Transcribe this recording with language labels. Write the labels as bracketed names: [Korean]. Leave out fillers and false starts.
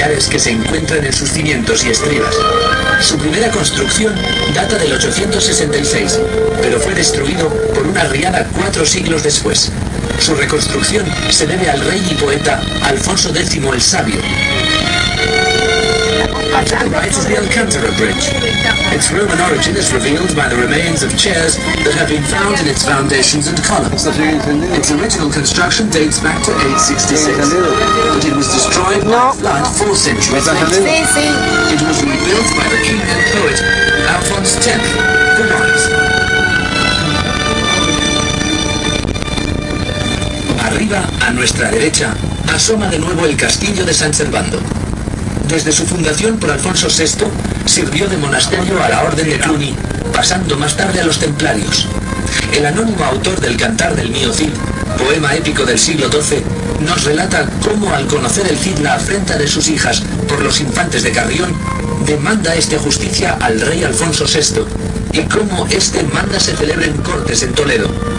[Spanish] Que se encuentran en sus cimientos y estribas. Su primera construcción data del 866, pero fue destruido por una riada 4 siglos después. Su reconstrucción se debe al rey y poeta Alfonso X el Sabio. La compañía [English] occupied by it is the Alcantara Bridge. Its Roman origin is revealed by the remains of chairs that have been found in its foundations and columns. Its original construction dates back to 866, but it was destroyed by a flood 4 centuries later. It was rebuilt by the king and poet Alphonse X the Wise. [Spanish] Arriba, a nuestra derecha, asoma de nuevo el castillo de San Servando. Desde su fundación por Alfonso VI, sirvió de monasterio a la Orden de Cluny, pasando más tarde a los templarios. El anónimo autor del Cantar del Mio Cid, poema épico del siglo XII, nos relata cómo al conocer el Cid la afrenta de sus hijas por los infantes de Carrión, demanda este justicia al rey Alfonso VI, y cómo este manda se celebren cortes en Toledo.